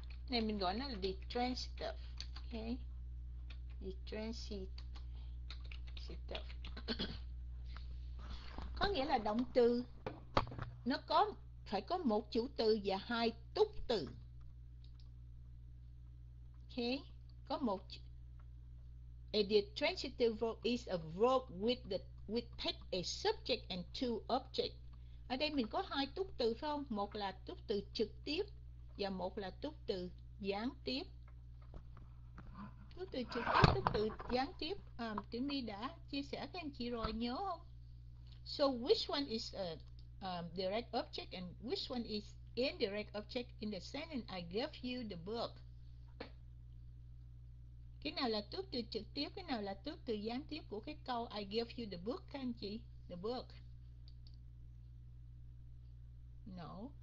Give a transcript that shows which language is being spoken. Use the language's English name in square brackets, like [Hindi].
[Vietnamese] Này mình gọi nó là detransitive. Okay. Detransitive. Có nghĩa là động từ nó có phải có một chủ từ và hai túc từ. Okay. Có một [English] a detransitive verb is a verb with take a subject and two object. [Vietnamese] Ở đây mình có hai túc từ phải không? Một là túc từ trực tiếp và một là túc từ gián tiếp. Túc từ trực tiếp, túc từ gián tiếp. Tiểu My đã chia sẻ với anh chị rồi, nhớ không? [English] So which one is a direct object and which one is indirect object in the sentence I gave you the book? [Vietnamese] Cái nào là túc từ trực tiếp, cái nào là túc từ gián tiếp của cái câu [English] I give you the book, [Vietnamese] các anh chị? [English] The book. No.